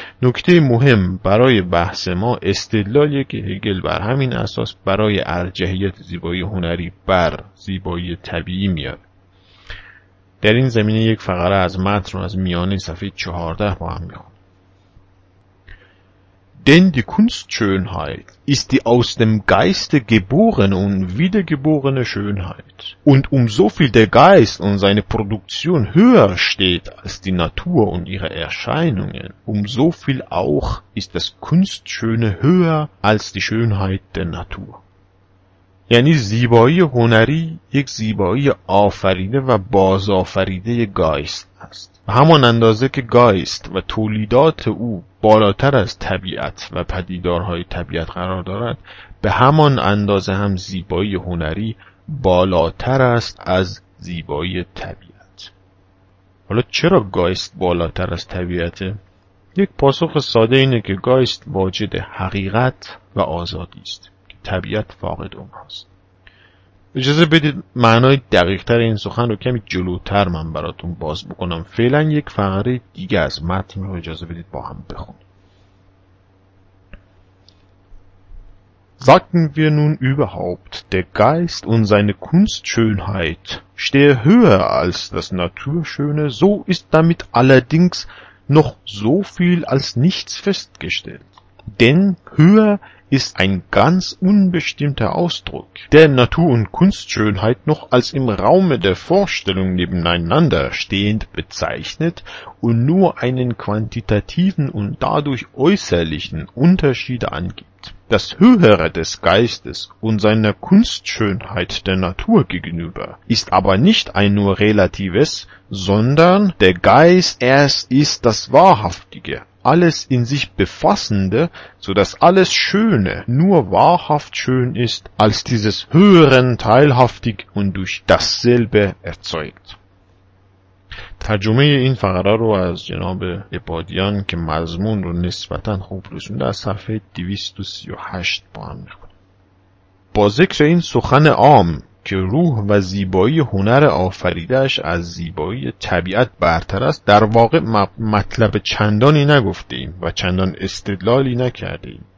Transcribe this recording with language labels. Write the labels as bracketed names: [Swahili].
[Persian] نکته مهم برای بحث ما استدلالیه که هگل بر همین اساس برای ارجحیت زیبایی هنری بر زیبایی طبیعی میاد. در این زمینه یک فقره از متن رو از میانه صفحه 14 با هم میخونم. [German] Denn die Kunstschönheit ist die aus dem Geiste geborene und wiedergeborene Schönheit. Und um so viel der Geist und seine Produktion höher steht als die Natur und ihre Erscheinungen, um so viel auch ist das Kunstschöne höher als die Schönheit der Natur. [Persian] یعنی زیبایی هنری یک زیبایی آفریده و بازآفریده گایست است. همان اندازه که گایست و تولیدات او بالاتر از طبیعت و پدیدارهای طبیعت قرار دارد، به همان اندازه هم زیبایی هنری بالاتر است از زیبایی طبیعت. حالا چرا گایست بالاتر از طبیعته؟ یک پاسخ ساده اینه که گایست واجد حقیقت و آزادی است که طبیعت فاقد اون هست. اجازه بدید معنای دقیق تر این سخن رو کمی جلوتر من براتون باز بکنم. فعلا یک فقره دیگه از متن رو اجازه بدید با هم بخونیم. [German] Sagen wir nun überhaupt, der Geist und seine Kunstschönheit stehe höher als das Naturschöne, so ist damit allerdings noch so viel als nichts festgestellt. Denn höher ist ein ganz unbestimmter Ausdruck, der Natur- und Kunstschönheit noch als im Raume der Vorstellung nebeneinander stehend bezeichnet und nur einen quantitativen und dadurch äußerlichen Unterschied angibt. Das Höhere des Geistes und seiner Kunstschönheit der Natur gegenüber ist aber nicht ein nur relatives, sondern der Geist erst ist das Wahrhaftige, alles in sich befassende, so dass alles Schöne nur wahrhaft schön ist, als dieses Höheren teilhaftig und durch dasselbe erzeugt. [Persian] ترجمه این فقره رو از جناب عبادیان که مضمون رو نسبتاً خوب رسونده از صفحه 238 با هم می‌خونیم. با ذکر این سخن عام که روح و زیبایی هنر آفریدهش از زیبایی طبیعت برتر است، در واقع مطلب چندانی نگفتیم و چندان استدلالی نکردیم.